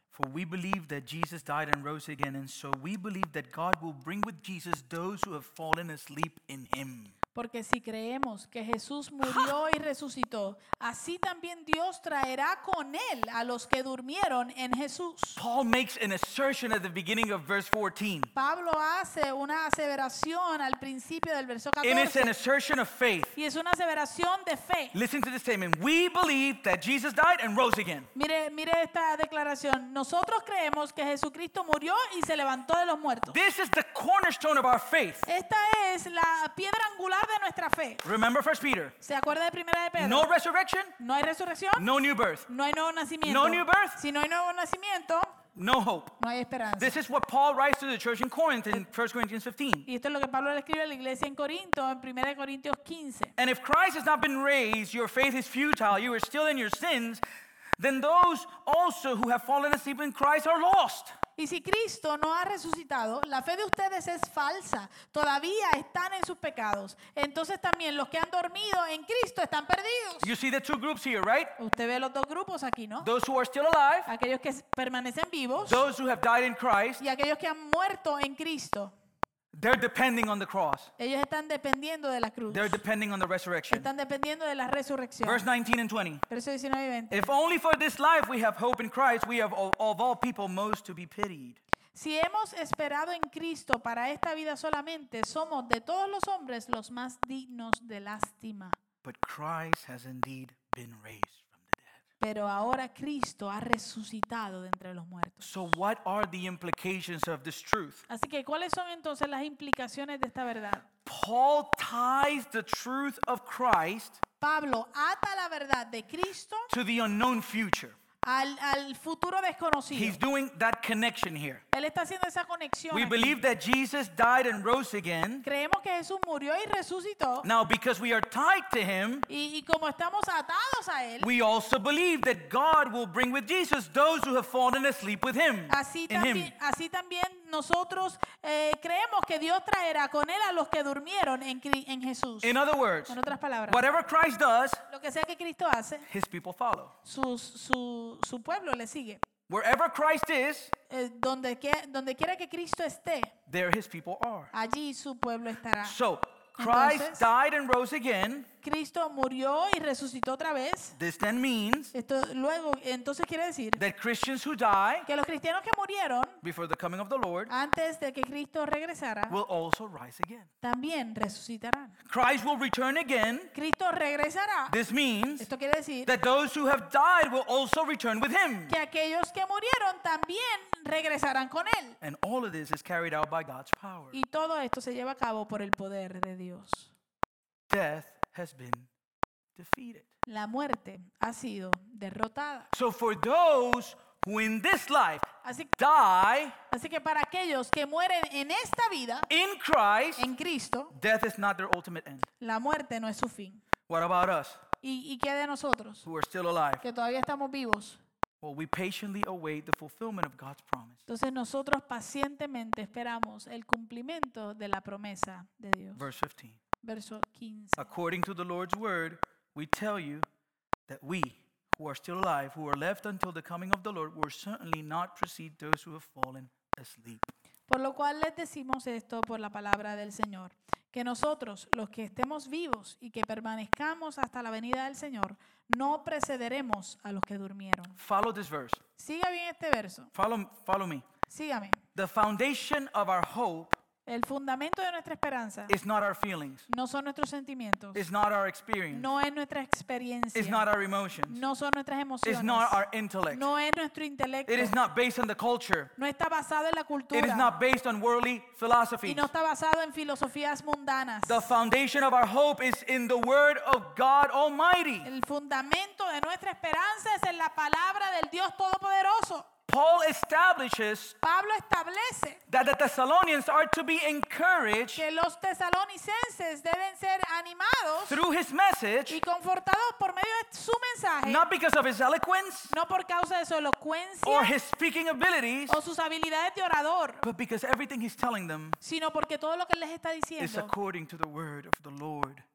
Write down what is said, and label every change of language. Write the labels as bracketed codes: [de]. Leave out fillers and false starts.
[en] For we believe that Jesus died and rose again, and so we believe that God will bring with Jesus those who have fallen asleep in him. [es] Porque si creemos que Jesús murió y resucitó, así también Dios traerá con él a los que durmieron en Jesús. [en] Paul makes an assertion at the beginning of verse 14. [es] Pablo hace una aseveración al principio del verso 14. [en] And it's an assertion of faith. [es] Y es una aseveración de fe. [en] Listen to the statement. We believe that Jesus died and rose again. [es] Mire esta declaración. Nosotros creemos que Jesucristo murió y se levantó de los muertos. [en] This is the cornerstone of our faith. [es] Esta es la piedra angular. [en] Remember 1 Peter. [es] ¿Se acuerda de Primera de Pedro? [en] No resurrection. [es] No hay resurrección. [en] No new birth. [es] No hay nuevo nacimiento. [en] No new birth. [es] Si no hay nuevo nacimiento, [en] no hope. [es] No hay esperanza. [en] This is what Paul writes to the church in Corinth in 1 Corinthians 15. [es] Y esto es lo que Pablo le escribe a la iglesia en Corinto en Primera de Corintios 15. [en] And if Christ has not been raised, your faith is futile. You are still in your sins. Then those also who have fallen asleep in Christ are lost. [es] Y si Cristo no ha resucitado, la fe de ustedes es falsa. Todavía están en sus pecados. Entonces también los que han dormido en Cristo están perdidos. [en] You see the two groups here, right? [es] Usted ve los dos grupos aquí, ¿no? [en] Those who are still alive. [es] Aquellos que permanecen vivos. [en] Those who have died in Christ. [es] Y aquellos que han muerto en Cristo. [en] They're depending on the cross. [es] Ellos están dependiendo de la cruz. [en] They're depending on the resurrection. [es] Están dependiendo de la resurrección. [en] Verse 19 and 20. [es] Verso 19 y 20. [en] If only for this life we have hope in Christ, we have of all people most to be pitied. [es] Si hemos esperado en Cristo para esta vida solamente, somos de todos los hombres los más dignos de lástima. [en] But Christ has indeed been raised. [es] Pero ahora Cristo ha resucitado de entre los muertos. [en] So what are the implications of this truth? [es] Así que, ¿cuáles son entonces las implicaciones de esta verdad? [en] Paul ties the truth of Christ. [es] Pablo ata la verdad de Cristo. [en] To the unknown future. [es] Al futuro desconocido. [en] He's doing that connection here. [es] Él está haciendo esa conexión. [en] We believe that Jesus died and rose again. [es] Creemos que Jesús murió y resucitó. [en] Now because we are tied to him. [es] Y como estamos atados a él. [en] We also believe that God will bring with Jesus those who have fallen asleep with him. [es] Así también nosotros creemos que Dios traerá con él a los que durmieron en Jesús. [en] In other words. [es] En otras palabras. [en] Whatever Christ does. [es] Lo que sea que Cristo hace. [en] His people follow. [es] Su pueblo le sigue. [en] Wherever Christ is, [es] donde quiera que Cristo esté, [en] there his people are. [es] Allí su pueblo estará. [en] So, Christ [es] entonces, [en] died and rose again. [es] Cristo murió y resucitó otra vez. [en] This then means, [es] esto luego, entonces quiere decir, [en] that Christians who die, [es] que los cristianos que murieron, [en] before the coming of the Lord, [es] antes de que Cristo regresara, [en] will also rise again. [es] También resucitarán. [en] Christ will return again. [es] Cristo regresará. [en] This means, [es] esto quiere decir, [en] that those who have died will also return with him. [es] Que aquellos que murieron también regresarán con él. [en] And all of this is carried out by God's power. [es] Y todo esto se lleva a cabo por el poder de Dios. [en] Death has been defeated. [es] La muerte ha sido derrotada. [en] So for those who in this life die, [es] así que para aquellos que mueren en esta vida, [en] in Christ, [es] en Cristo, [en] death is not their ultimate end. [es] La muerte no es su fin. [en] What about us? [es] ¿Y qué de nosotros? [en] Who are still alive? [es] Que todavía estamos vivos. [en] Well, we patiently await the fulfillment of God's promise. [es] Entonces nosotros pacientemente esperamos el cumplimiento de la promesa de Dios. [en] Verse 15. [es] Verso 15. [en] According to the Lord's word, we tell you that we who are still alive, who are left until the coming of the Lord, will certainly not precede those who have fallen asleep. [es] Por lo cual les decimos esto por la palabra del Señor, que nosotros, los que estemos vivos y que permanezcamos hasta la venida del Señor, no precederemos a los que durmieron. [en] Follow this verse. [es] Siga bien este verso. [en] Follow me. [es] Sígame. [en] The foundation of our hope, [es] el fundamento de nuestra esperanza, [en] is not our feelings, [es] no son nuestros sentimientos, [en] is not our experience, [es] no es nuestra experiencia, [en] is not our emotions, [es] no son nuestras emociones, [en] is not our intellect, [es] no es nuestro intelecto, [en] it is not based on the culture, [es] no está basado en la cultura, [en] it is not based on worldly philosophies, [es] y no está basado en filosofías mundanas. [en] The foundation of our hope is in the word of God Almighty. [es] El fundamento de nuestra esperanza es en la palabra del Dios Todopoderoso. [en] Paul establishes [es] Pablo establece [en] that the Thessalonians are to be encouraged, [es] que los tesalonicenses deben ser animados, [en] through his message, [es] y confortados por medio de su mensaje, [en] not because of his eloquence, [es] no por causa de su elocuencia, [en] or his speaking abilities, [es] o sus habilidades de orador, [en] but because everything he's telling them, [es] sino porque todo lo que les está diciendo, [en] is according to the word of the Lord,